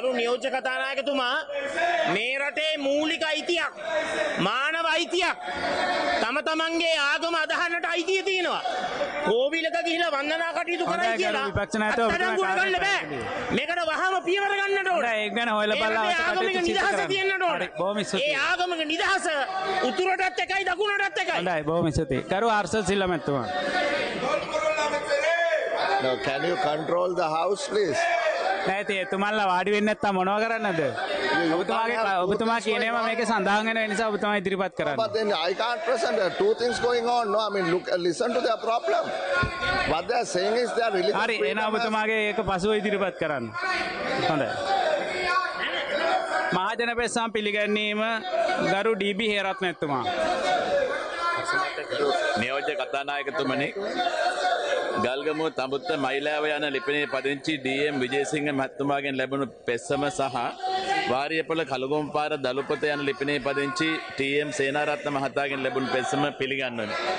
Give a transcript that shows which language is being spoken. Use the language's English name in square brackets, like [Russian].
[Sinhala] ගරු නියෝජ්‍ය කතානායකතුමා මේ රටේ මූලික අයිතියක් මානව අයිතියක් තම තමන්ගේ ආගම අදහන්නට අයිතිය තියෙනවා කෝවිලක ගිහිලා වන්දනා කටයුතු කරයි කියලා විපක්ෂ නායකතුමා මේකට වහම පියවර ගන්නට ඕන ඒක ගැන හොයලා බලලා අවශ්‍ය කටයුතු නිදහස තියෙන්නට ඕන බොහොම ඉස්සතේ ඒ ආගමක නිදහස උතුරටත් එකයි දකුණටත් එකයි හොඳයි බොහොම ඉස්සතේ ගරු අර්ස සිල්ලම තුමා [English] Now can you control the house please? [Sinhala] නැති එතුමන්ලා වාඩි වෙන්නේ නැත්තම් මොනව කරන්නද? ඔබතුමාගේ ඔබතුමා කියනේම මේකේ සඳහන් වෙන නිසා ඔබතුමා ඉදිරිපත් කරන්නේ. [English] But then I can't present there two things going on. No, I mean look listen to their problem. What they are saying is they are really [Sinhala] හරි එනවා ඔබතුමාගේ ඒක පසුව ඉදිරිපත් කරන්න. හොඳයි. මහජන පෙස්සම් පිළිගැන්වීම ගරු ඩීබී හේරත්න එතුමා. නියෝජ්‍ය කතානායකතුමනි ගල්ගමුව තඹුත්ත මයිලාව යන ලිපිනේ පදිංචි ඩීඑම් විජේසිංහ මහත්මයාගෙන් ලැබුණු පෙස්සම සහ වාරියපොළ කළුගම් පාර දලුපත යන ලිපිනේ පදිංචි ටීඑම් සේනාරත්න මහතාගෙන් ලැබුණු පෙස්සම පිළිගන්වමි.